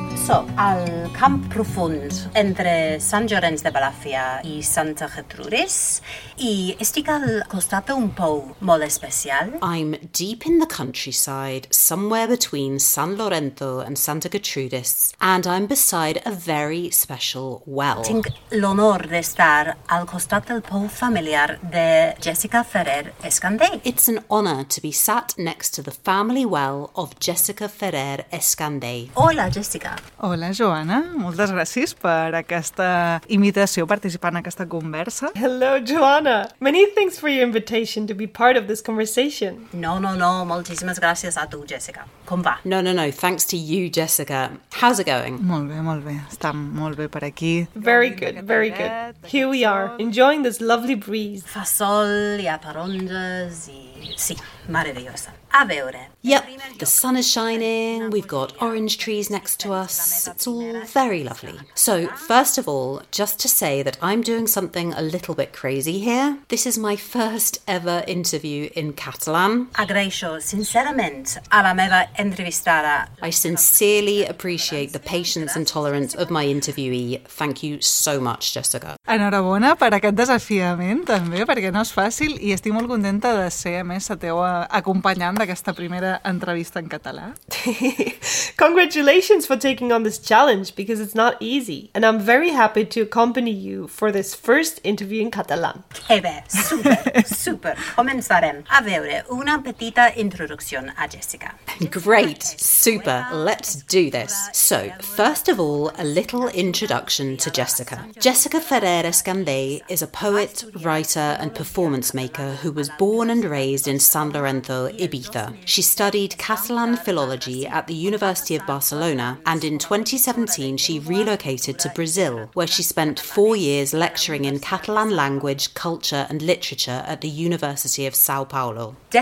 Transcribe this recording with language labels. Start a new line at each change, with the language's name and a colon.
Catalan: So, al camp profund entre Sant Llorenç de Balàfia i Santa Gertrudis, i estic al costat d'un pou molt especial.
English: I'm deep in the countryside, somewhere between San Lorenzo and Santa Gertrudis, and I'm beside a very special well.
Catalan: Tinc l'honor d'estar al costat del pou familiar de Jessica Ferrer-Escandey.
English: It's an honor to be sat next to the family well of Jessica Ferrer-Escandey.
Catalan: Hola, Jessica. Hola, Joana. Moltes gràcies per aquesta invitació, participar en aquesta conversa.
English: Hello, Joana. Many thanks for your invitation to be part of this conversation. No.
Catalan: Moltíssimes gràcies a tu, Jessica. Com va?
English: No. Thanks to you, Jessica. How's it going?
Catalan: Molt bé. Està molt bé per aquí.
English: Very good. Here we are, enjoying this lovely breeze.
Catalan: Fa sol, hi ha taronges i... Sí, maravillosa. A veure.
English: Yep, the sun is shining, we've got orange trees next to us, it's all very lovely. So, first of all, just to say that I'm doing something a little bit crazy here. This is my first ever interview in Catalan.
Catalan: Agraeixo sincerament a la meva entrevistada.
English: I sincerely appreciate the patience and tolerance of my interviewee. Thank you so much, Jessica.
Catalan: Enhorabona per aquest desafiament, també, perquè no és fàcil, i estic molt contenta de ser, a més, la teua acompanyant d'aquesta primera entrevista en català.
English: Congratulations for taking on this challenge, because it's not easy, and I'm very happy to accompany you for this first interview in català.
Catalan: Que bé, super. Començarem. A veure, una petita introducció a Jessica.
English: Great, super, let's do this. So, first of all, a little introduction to Jessica. Jessica Ferrer-Escandey is a poet, writer, and performance maker who was born and raised in San Lorenzo, Ibiza. She studied Catalan philology at the University of Barcelona, and in 2017 she relocated to Brazil, where she spent 4 years lecturing in Catalan language, culture and literature at the University of São Paulo.